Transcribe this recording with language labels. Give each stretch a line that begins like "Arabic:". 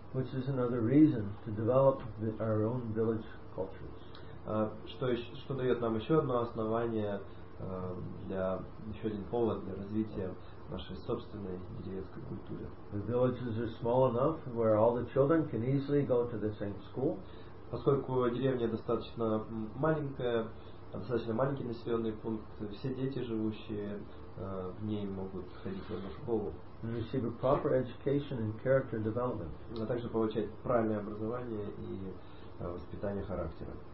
English: Which is another reason to develop our own village cultures.
Russian: Что дает нам еще одно основание, еще один повод для развития нашей собственной деревенской культуры.
English: The villages are small enough where all the children can easily go to the same school.
Russian: Поскольку деревня достаточно маленькая, достаточно маленький населенный пункт, все дети, живущие в ней, могут ходить в одну школу.
English: And receive a proper education and character development.
Russian: А также получать правильное образование и воспитание характера.